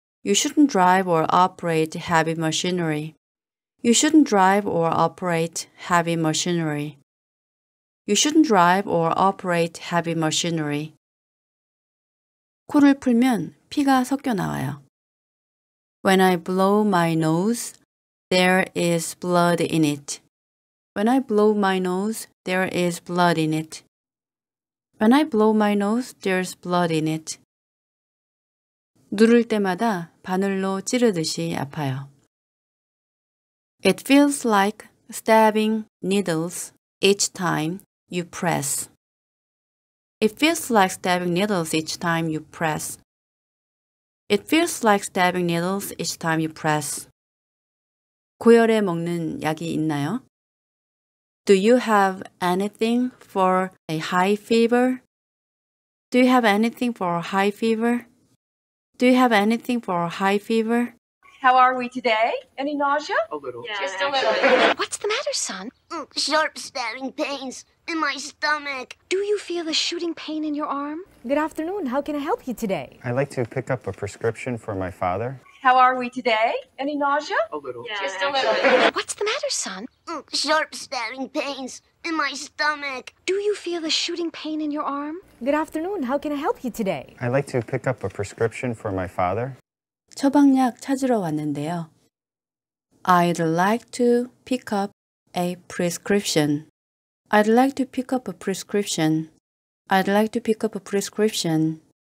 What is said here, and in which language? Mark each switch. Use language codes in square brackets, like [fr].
[en] You shouldn't drive or operate heavy machinery. You shouldn't drive or operate heavy machinery. You shouldn't drive or operate heavy machinery. [ko] 코를 풀면 피가 섞여 나와요. [en] When I blow my nose, there is blood in it. When I blow my nose, there is blood in it. When I blow my nose, there's blood in it. [ko] 누를 때마다 바늘로 찌르듯이 아파요. [en] It feels like stabbing needles each time you press. It feels like stabbing needles each time you press. It feels like stabbing needles each time you press. [ko] 고열에 먹는 약이 있나요? [en] Do you have anything for a high fever? Do you have anything for a high fever? Do you have anything for a high fever? How are we today? Any nausea? A little. Yeah, just a little. What's the matter, son? Sharp stabbing pains in my stomach. Do you feel a shooting pain in your arm? Good afternoon. How can I help you today? I'd like to pick up a prescription for my father. How are we today? Any nausea? A little. Yeah, just a little. What's the matter, son? Sharp stabbing pains in my stomach. Do you feel a shooting pain in your arm? Good afternoon. How can I help you today? I'd like to pick up a prescription for my father. [ko] 처방약 찾으러 왔는데요. [en] I'd like to pick up a prescription. I'd like to pick up a prescription. I'd like to pick up a prescription.